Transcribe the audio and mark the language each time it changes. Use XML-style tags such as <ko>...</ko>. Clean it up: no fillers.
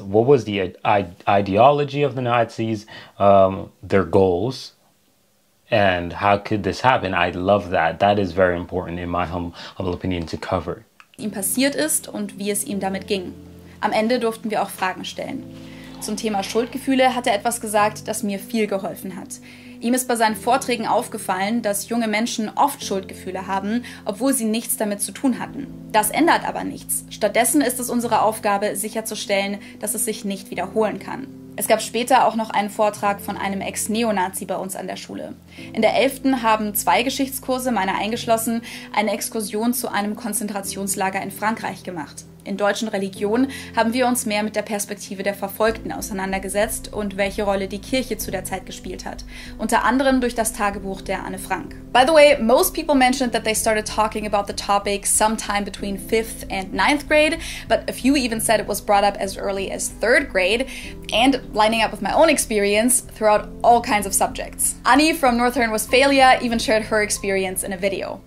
<en>What was the ideology of the Nazis, their goals? And how could this happen? I love that. That is very important in my humble opinion to cover.</en> <de>Ihm passiert ist und wie es ihm damit ging. Am Ende durften wir auch Fragen stellen. Zum Thema Schuldgefühle hat er etwas gesagt, das mir viel geholfen hat. Ihm ist bei seinen Vorträgen aufgefallen, dass junge Menschen oft Schuldgefühle haben, obwohl sie nichts damit zu tun hatten. Das ändert aber nichts. Stattdessen ist es unsere Aufgabe, sicherzustellen, dass es sich nicht wiederholen kann. Es gab später auch noch einen Vortrag von einem Ex-Neonazi bei uns an der Schule. In der 11. haben zwei Geschichtskurse, meine eingeschlossen, eine Exkursion zu einem Konzentrationslager in Frankreich gemacht. In deutschen Religion haben wir uns mehr mit der Perspektive der Verfolgten auseinandergesetzt und welche Rolle die Kirche zu der Zeit gespielt hat. Unter anderem durch das Tagebuch der Anne Frank.</de> <en>By the way, most people mentioned that they started talking about the topic sometime between 5th and 9th grade, but a few even said it was brought up as early as 3rd grade, and lining up with my own experience, throughout all kinds of subjects. Annie from Northern Westphalia even shared her experience in a video.</en>